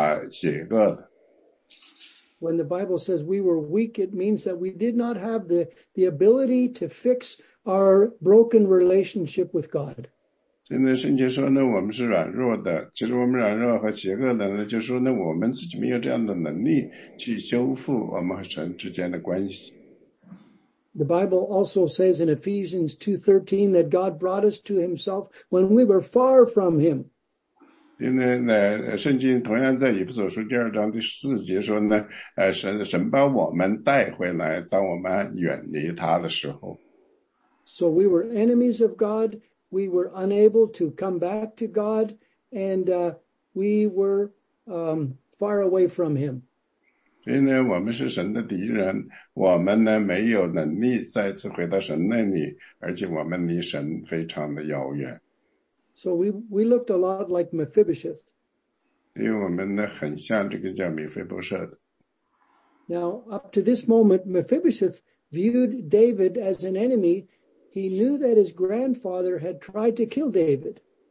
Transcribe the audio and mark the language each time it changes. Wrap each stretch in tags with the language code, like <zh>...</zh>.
<zh>所以这个里面呢，我们不仅仅是那个神的敌人，而且呢，罗马书第六章第八节呢说呢，我们当主耶稣基督为我们而死，当基督为我们而死的时候呢，我们其实就是邪恶的。</zh> <en>When the Bible says we were weak, it means that we did not have the ability to fix our broken relationship with God.</en> <zh>现在圣经说呢，我们是软弱的。其实我们软弱和邪恶的呢，就是说呢，我们自己没有这样的能力去修复我们和神之间的关系。</zh> <en>The Bible also says in Ephesians 2:13 that God brought us to himself when we were far from him.</en> <zh>因为呢，圣经同样在以弗所书第二章第四节说呢，神把我们带回来，当我们远离他的时候。</zh> <en>So we were enemies of God, we were unable to come back to God, and we were far away from him.</en> <zh>因为我们是神的敌人，我们呢没有能力再次回到神那里，而且我们离神非常的遥远。</zh> <en>So we looked a lot like Mephibosheth.</en> <zh>因为我们呢很像这个叫米菲波设的。</zh> <en>Now, up to this moment, Mephibosheth viewed David as an enemy. He knew that his grandfather had tried to kill David.</en>